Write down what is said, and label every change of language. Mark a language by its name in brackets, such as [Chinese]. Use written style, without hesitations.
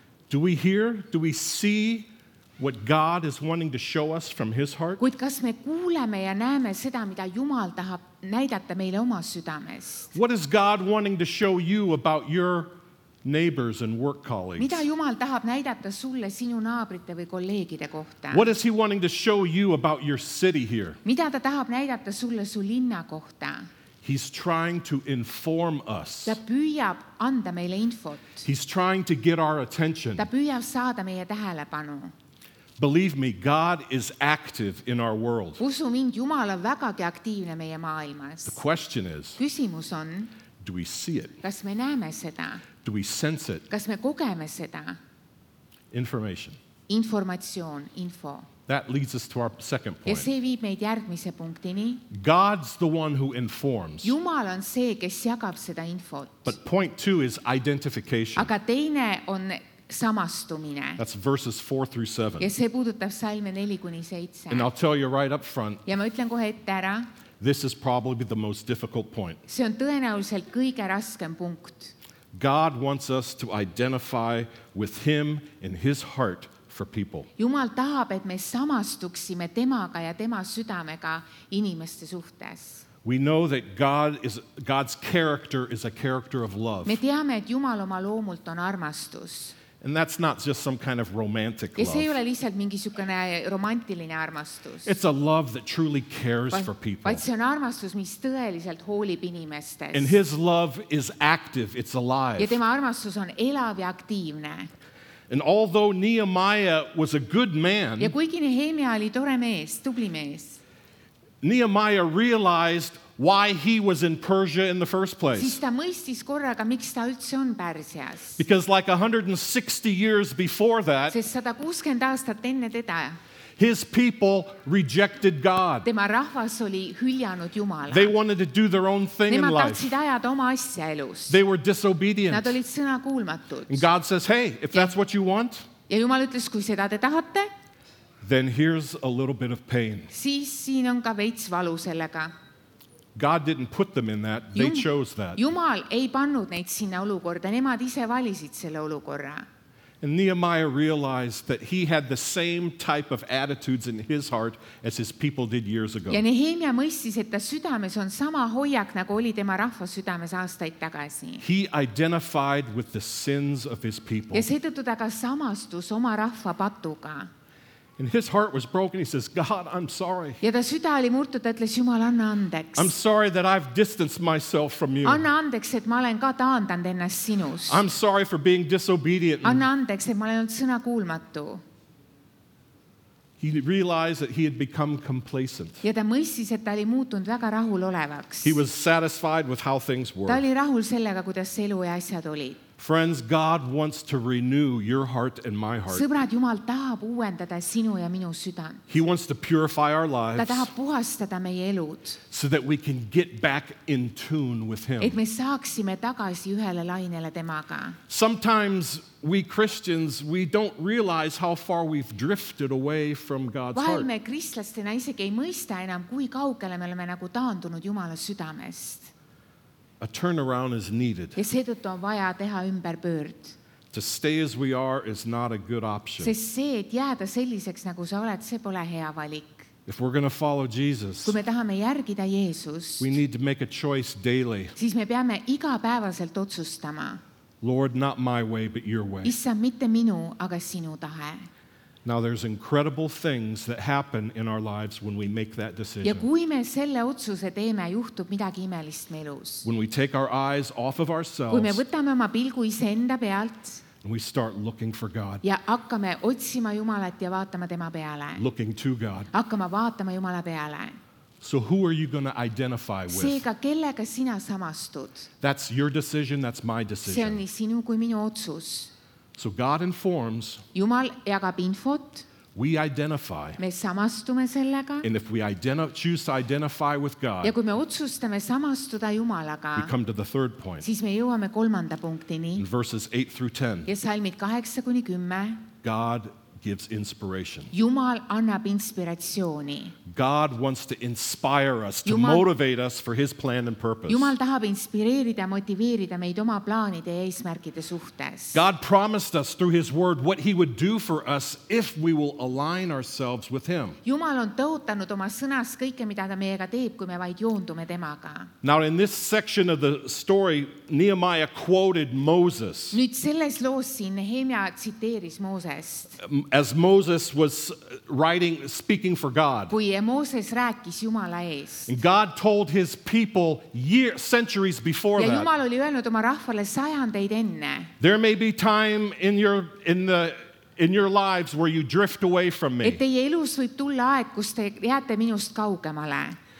[English] Do we hear? Do we see what God is wanting to show us from his heart? [Estonian] Kuid kas me kuuleme ja näeme seda, mida Jumal tahab näidata meile oma südames? [English] What is God wanting to show you about your neighbors and work colleagues? [Estonian] Mida Jumal tahab näidata sulle sinu naabrite või kolleegide kohta? [English] What is he wanting to show you about your city here? [Estonian] Mida ta tahab näidata sulle su linna kohta? [English] He's trying to inform us. [Estonian] Ta püüab anda meile infot. [English] He's trying to get our attention. [Estonian] Ta püüab saada meie tähelepanu. [English] Believe me, God is active in our world. [Estonian] Usu mind, Jumal on vägagi aktiivne meie maailmas. [English] The question is, [Estonian] küsimus on, [English] do we see it? [Estonian] Kas me näeme seda? [English] Do we sense it? [Estonian] Kas me kogeme seda? [English] Information. [Estonian] Informatsioon, info. [English] That leads us to our second point. [Estonian] Ja see viib meid järgmise punktini. [English] God's the one who informs. [Estonian] Jumal on see, kes jagab seda infot. [English] But point two is identification. [Estonian] Aga teine on samastumine. [English] That's verses 4-7. [Estonian] Ja see puudutab salme 4-7. [English] And I'll tell you right up front. [Estonian] Ja ma ütlen kohe ette ära. [English] This is probably the most difficult point. [Estonian] See on tõenäoliselt kõige raskem punkt. [English] God wants us to identify with him in his heart for people. [Estonian] Jumal tahab, et me samastuksime temaga ja tema südamega inimeste suhtes. [English] We know that God's character is a character of love. [Estonian] Me teame, et Jumal oma loomult on armastus. [English] And that's not just some kind of romantic love. [Estonian] Ja see ei ole lihtsalt mingisugune romantiline armastus. [English] It's a love that truly cares for people. [Estonian] Vaid see on armastus, mis tõeliselt hoolib inimestes. [English] And his love is active, it's alive. [Estonian] Ja tema armastus on elav ja aktiivne. [English] And although Nehemiah was a good man, [Estonian] ja kuigi Nehemia oli tore mees, tubli mees, [English] Nehemiah realized why he was in Persia in the first place. [Estonian] Siis ta mõistis korraga, miks ta üldse on Pärsias. [English] Because like 160 years before that, [Estonian] sest 160 aastat enne teda, [English] his people rejected God. [Estonian] Tema rahvas oli hüljanud Jumala. [English] They wanted to do their own thing [Estonian] Nemad [English] in life. [Estonian] Tahtsid ajada oma asja elus. [English] They were disobedient. [Estonian] Nad olid sõna kuulmatud. [English] And God says, hey, if that's what you want, [Estonian] ja Jumal ütles, kui seda te tahate, [English] then here's a little bit of pain. [Estonian] Siis siin on ka veits valu sellega. [English] God didn't put them in that. They chose that. [Estonian] Jumal ei pannud neid sinna olukorda. Nemad ise valisid selle olukorra. [English] And Nehemiah realized that he had the same type of attitudes in his heart as his people did years ago. [Estonian] Ja Nehemia mõistis, et ta südames on sama hoiak, nagu oli tema rahva südames aastaid tagasi. [English] He identified with the sins of his people. [Estonian] Ja seetõttu ta ka samastus oma rahva patuga. [English] And his heart was broken. He says, God, I'm sorry. [Estonian] Ja ta süda oli murtud, ütles, Jumal, anna andeks. [English] I'm sorry that I've distanced myself from you. [Estonian] Anna andeks, et ma olen ka taandanud ennast sinus. [English] I'm sorry for being disobedient. [Estonian] Anna andeks, et ma olen olnud sõna kuulmatu. [English] He realized that he had become complacent. [Estonian] Ja ta mõistis, et ta oli muutunud väga rahul olevaks. [English] He was satisfied with how things were. [Estonian] Ta oli rahul sellega, kuidas elu ja asjad olid. [English] Friends, God wants to renew your heart and my heart. [Estonian] Sõbrad, Jumal tahab uuendada sinu ja minu südant. [English] He wants to purify our lives. [Estonian] Ta tahab puhastada meie elud. [English] So that we can get back in tune with him. [Estonian] Et me saaksime tagasi ühele lainele temaga. [English] Sometimes we Christians, we don't realize how far we've drifted away from God's heart. [Estonian] Vahel me kristlastena isegi ei mõista enam, kui kaugele me oleme nagu taandunud Jumala südamest. [English] A turnaround is needed. [Estonian] Ja seetõttu on vaja teha ümberpöörd. [English] To stay as we are is not a good option. [Estonian] Sest see, et jääda selliseks, nagu sa oled, see pole hea valik. [English] If we're going to follow Jesus, [Estonian] kui me tahame järgida Jeesust, [English] we need to make a choice daily. [Estonian] Siis me peame igapäevaselt otsustama. [English] Lord, not my way, but your way. [Estonian] Issa, mitte minu, aga sinu tahe. [English] Now there's incredible things that happen in our lives when we make that decision. [Estonian] Ja kui me selle otsuse teeme, juhtub midagi imelist meilus. [English] When we take our eyes off of ourselves, [Estonian] kui me võtame oma pilgu ise enda pealt, [English] and we start looking for God. [Estonian] Ja hakkame otsima Jumalat ja vaatama tema peale. [English] Looking to God. [Estonian] Hakkame vaatama Jumala peale. [English] So who are you going to identify with? [Estonian] Seega, kellega sina samastud? [English] That's your decision, that's my decision. [Estonian] See on nii sinu kui minu otsus. [English] So God informs. [Estonian] Jumal jagab infot. [English] We identify. [Estonian] Me samastume sellega. [English] And if we choose to identify with God. [Estonian] Ja kui me otsustame samastuda Jumalaga. [English] We come to the third point. [Estonian] Siis me jõuame kolmanda punktini. [English] In verses 8 through 10. [Estonian] Ja salmid 8 kuni 10. [English] God gives inspiration. [Estonian] Jumal annab inspiratsiooni. [English] God wants to inspire us, to motivate us for his plan and purpose. [Estonian] Jumal tahab inspireerida, motiveerida meid oma plaanide ja eesmärkide suhtes. [English] God promised us through his word what he would do for us if we will align ourselves with him. [Estonian] Jumal on tõotanud oma sõnas kõike, mida ta meiega teeb, kui me vaid joondume temaga. [English] Now in this section of the story, Nehemiah quoted Moses. [Estonian] Nüüd selles loos siin Nehemia tsiteeris Moosest. [English] As Moses was writing, speaking for God. [Estonian] Kui Mooses rääkis Jumala ees. [English] And God told his people years, centuries before that. [Estonian] Ja Jumal oli öelnud oma rahvale sajandeid enne. [English] There may be time in your lives where you drift away from me. [Estonian] Et teie elus võib tulla aeg, kus te jääte minust kaugemale.